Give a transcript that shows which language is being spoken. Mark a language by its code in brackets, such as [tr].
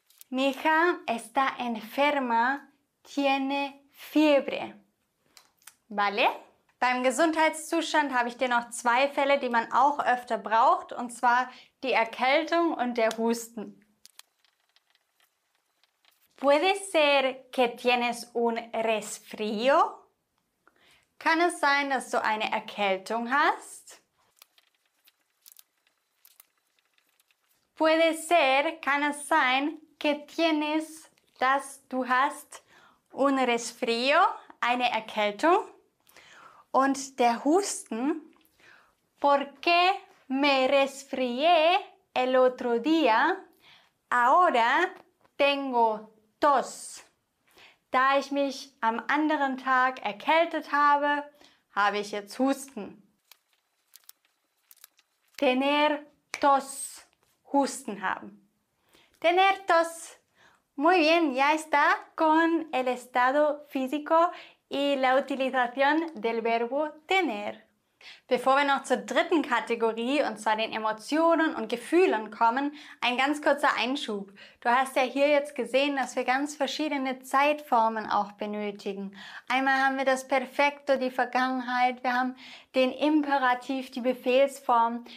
[es] Mi hija está enferma, tiene fiebre. Vale? [de] Beim Gesundheitszustand habe ich dir noch zwei Fälle, die man auch öfter braucht, und zwar die Erkältung und der Husten. [es] ¿Puede ser que tienes un resfrío? [de] Kann es sein, dass du eine Erkältung hast? [es] Puede ser, [de] kann es sein, [es] que tienes, [de] dass du hast, [es] un resfrío, [de] eine Erkältung. Und der Husten. [es] ¿Por qué me resfrié el otro día? Ahora tengo tos. [de] Da ich mich am anderen Tag erkältet habe, habe ich jetzt Husten. [es] Tener tos. [de] Husten haben. [es] Tener tos. Muy bien, ya está con el estado físico y la utilización del verbo tener. [de] Bevor wir noch zur dritten Kategorie, und zwar den Emotionen und Gefühlen, kommen, ein ganz kurzer Einschub. Du hast ja hier jetzt gesehen, dass wir ganz verschiedene Zeitformen auch benötigen. Einmal haben wir das Perfekto, die Vergangenheit, wir haben den Imperativ, die Befehlsform.